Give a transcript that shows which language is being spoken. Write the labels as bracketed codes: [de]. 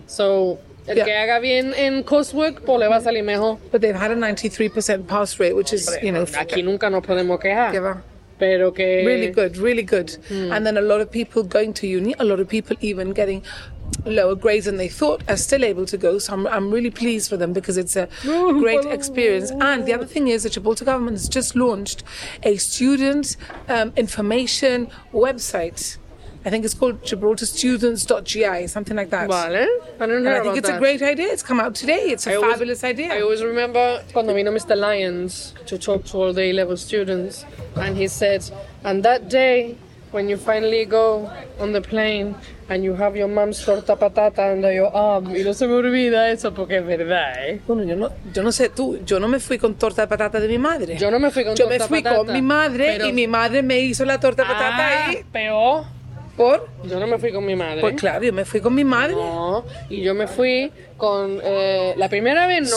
[es] So el que haga bien en coursework, pues le va a salir mejor. [en] But they've had a 93% pass rate, which is, you know. [es] Aquí nunca nos podemos quejar. Que va. Pero que [en] really good, really good. Mm. And then a lot of people going to uni, a lot of people even getting lower grades than they thought are still able to go. So I'm really pleased for them because it's a great experience. And the other thing is that Gibraltar government has just launched a student information website. I think it's called GibraltarStudents.gi, something like that. [es] Vale. [en] I think it's a great idea. It's come out today. It's a fabulous idea. I always remember when I met Mr. Lyons to talk to all the A-level students, and he said, and that day when you finally go on the plane and you have your mom's torta patata under your arm, [es] y no se me olvida eso porque es verdad, ¿eh? Bueno, yo no sé tú, yo no me fui con torta patata de mi madre. Yo no me fui con yo torta patata. Yo me fui patata. Con mi madre Pero, y mi madre me hizo la torta patata ahí. Peor. ¿Por? Yo no me fui con mi madre. Pues claro, yo me fui con mi madre. No, y yo me fui con... la primera vez no.